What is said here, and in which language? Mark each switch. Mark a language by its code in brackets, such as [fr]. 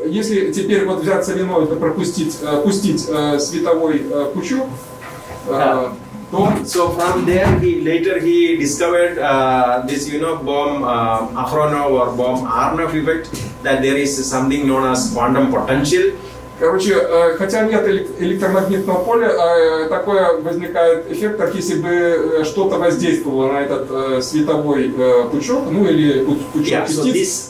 [ru] Если теперь вот взять соленоид и пустить световой пучок, то. [en] So from there he later discovered this, you know, Bohm Ahronov or Bohm Arnav effect, that there is something known as quantum potential. [ru] Короче, хотя нет электромагнитного поля, такое возникает эффект, как если бы что-то воздействовало на этот световой пучок, ну или пучок частиц.